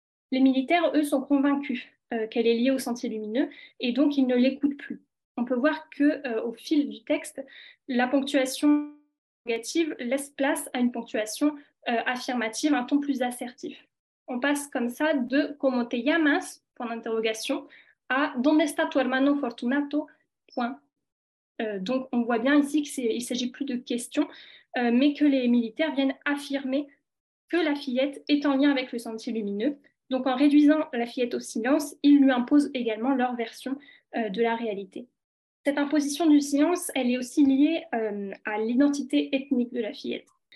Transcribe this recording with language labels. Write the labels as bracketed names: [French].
[French] Les militaires, eux, sont convaincus qu'elle est liée au Sentier Lumineux, et donc ils ne l'écoutent plus. On peut voir que, au fil du texte, la ponctuation négative laisse place à une ponctuation affirmative, un ton plus assertif. On passe comme ça de « [Spanish] Como te llamas ?» [French] point d'interrogation, à [Spanish] « ¿Dónde está tu hermano Fortunato ?» [French] point. Donc on voit bien ici qu'il ne s'agit plus de questions, mais que les militaires viennent affirmer que la fillette est en lien avec le Sentier Lumineux. Donc en réduisant la fillette au silence, ils lui imposent également leur version de la réalité. Cette imposition du silence, elle est aussi liée à l'identité ethnique de la fillette.